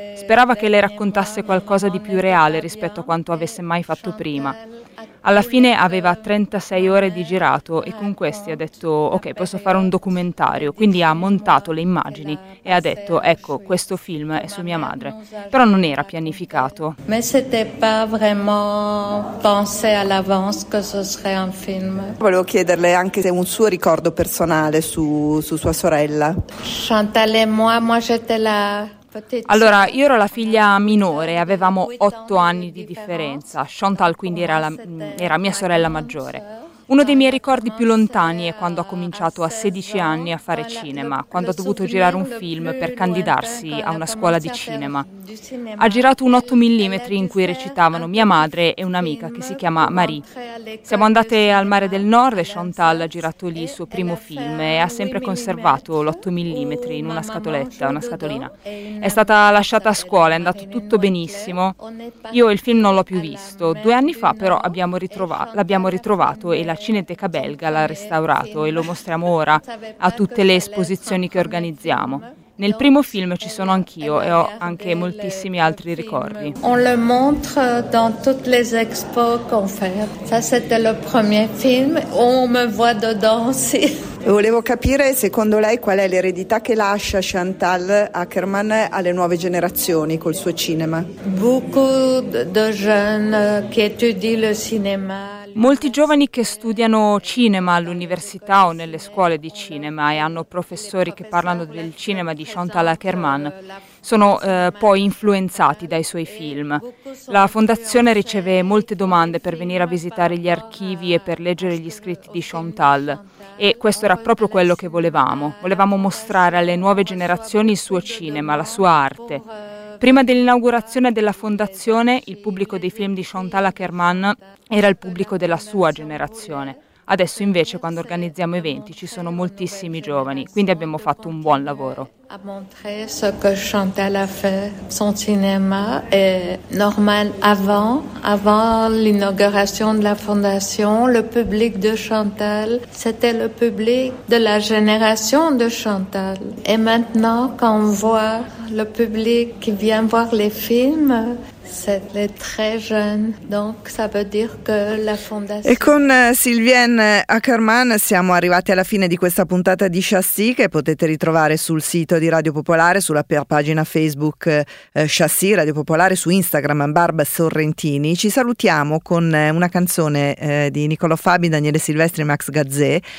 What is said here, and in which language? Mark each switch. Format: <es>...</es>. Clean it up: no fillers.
<it>Sperava che le raccontasse qualcosa di più reale rispetto a quanto avesse mai fatto prima. Alla fine aveva 36 ore di girato e con questi ha detto ok, posso fare un documentario, quindi ha montato le immagini e ha detto ecco, questo film è su mia madre, però non era pianificato.</it> <fr>Ma c'était pas vraiment pensé à l'avance que ce serait un film.</fr> <it>Volevo chiederle anche se un suo ricordo personale su sua sorella.</it> <fr>Chantal et moi j'étais là.</fr> <it>Allora, io ero la figlia minore, avevamo 8 anni di differenza. Chantal quindi era mia sorella maggiore. Uno dei miei ricordi più lontani è quando ha cominciato a 16 anni a fare cinema, quando ha dovuto girare un film per candidarsi a una scuola di cinema. Ha girato un 8 mm in cui recitavano mia madre e un'amica che si chiama Marie. Siamo andate al Mare del Nord e Chantal ha girato lì il suo primo film e ha sempre conservato l'8 mm in una scatoletta, una scatolina. È stata lasciata a scuola, è andato tutto benissimo. Io il film non l'ho più visto. 2 anni fa però l'abbiamo ritrovato e la Cineteca belga l'ha restaurato e lo mostriamo ora a tutte le esposizioni che organizziamo. Nel primo film ci sono anch'io e ho anche moltissimi altri ricordi.</it> <fr>On le montre dans toutes les expos qu'on fait. Ça c'était le premier film. On me voit dedans, sì.</fr> <it>Volevo capire, secondo lei, qual è l'eredità che lascia Chantal Ackerman alle nuove generazioni col suo cinema?</it> <fr>Beaucoup de jeunes qui étudient le cinéma.</fr> <it>Molti giovani che studiano cinema all'università o nelle scuole di cinema e hanno professori che parlano del cinema di Chantal Akerman sono poi influenzati dai suoi film. La fondazione riceve molte domande per venire a visitare gli archivi e per leggere gli scritti di Chantal. E questo era proprio quello che volevamo. Volevamo mostrare alle nuove generazioni il suo cinema, la sua arte. Prima dell'inaugurazione della fondazione, il pubblico dei film di Chantal Akerman era il pubblico della sua generazione. Adesso invece, quando organizziamo eventi, ci sono moltissimi giovani, quindi abbiamo fatto un buon lavoro.</it> <fr>A montrer ce que Chantal a fait, son cinéma est normal avant l'inauguration de la fondation, le public de Chantal, c'était le public de la génération de Chantal. Et maintenant, quand on voit le public qui vient voir les films, c'est les très jeunes. Donc ça veut dire que la fondation.</fr> <it>E con Sylviane Akerman siamo arrivati alla fine di questa puntata di Chassis, che potete ritrovare sul sito di Radio Popolare, sulla pagina Facebook Chassis Radio Popolare, su Instagram Barb Sorrentini. Ci salutiamo con una canzone di Niccolò Fabi, Daniele Silvestri e Max Gazzè.</it>